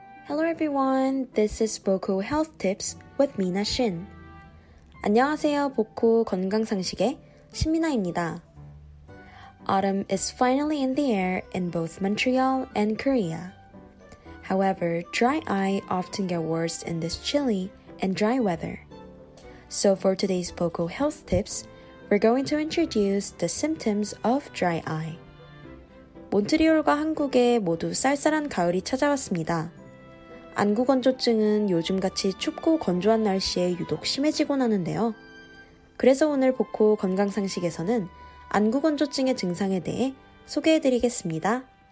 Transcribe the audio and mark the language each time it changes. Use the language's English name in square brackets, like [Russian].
[English] Hello everyone, this is Boku Health Tips with Mina Shin. [Korean] 안녕하세요, 보쿠 건강상식의 신미나입니다. [English] Autumn is finally in the air in both Montreal and Korea. However, dry eye often get worse in this chilly and dry weather. So for today's Boku Health Tips, we're going to introduce the symptoms of dry eye. [Korean] 몬트리올과 한국에 모두 쌀쌀한 가을이 찾아왔습니다. 안구건조증은 요즘같이 춥고 건조한 날씨에 유독 심해지곤 하는데요. 그래서 오늘 복후 건강상식에서는 안구건조증의 증상에 대해 소개해드리겠습니다.